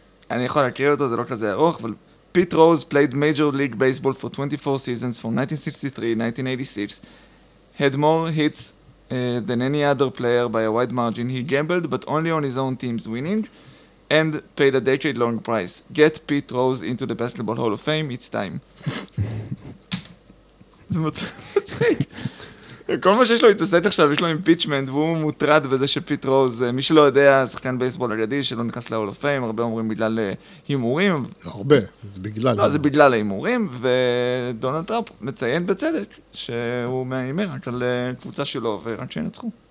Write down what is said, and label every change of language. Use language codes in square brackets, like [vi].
[he] אני יכול להקריא אותו, זה לא כזה ארוך, אבל... [en] Pete Rose played Major League Baseball for 24 seasons from 1963-1986. Had more hits than any other player by a wide margin. He gambled, but only on his own team's winning, and paid a decade-long price. Get Pete Rose into the Basketball Hall of Fame. It's time. [he] זה מצחיק. כל מה שיש לו התעסק עכשיו, יש לו אימפיצ'מנט, והוא מוטרד בזה שפיט רוז, מי שלא יודע, שחקן בייסבול אגדי, שלא נכנס ל-All of Fame, הרבה אומרים בגלל הימורים. לא הרבה, זה בגלל. לא, זה בגלל ההימורים, ודונלד טראמפ מציין בצדק, שהוא מהימר רק על קבוצה שלו, ורק שינצחו.